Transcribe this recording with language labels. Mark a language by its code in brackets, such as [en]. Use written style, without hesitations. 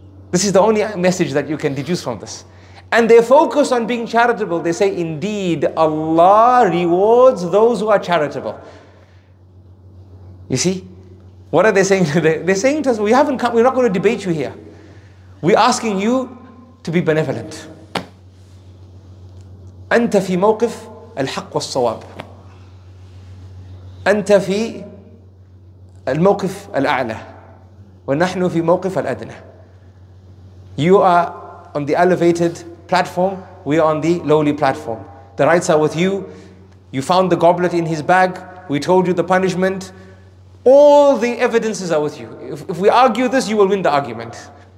[en] This is the only message that you can deduce from this. And they focus on being charitable. They say, indeed, Allah rewards those who are charitable. You see? What are they saying? They're saying to us, we're not going to debate you here. We're asking you to be benevolent. [ar] أنت في موقف الحق والصواب. أنت في الموقف الأعلى ونحن في موقف الأدنى. [en] You are on the elevated platform, we are on the lowly platform. The rights are with you. You found the goblet in his bag. We told you the punishment. All the evidences are with you. If we argue this, you will win the argument.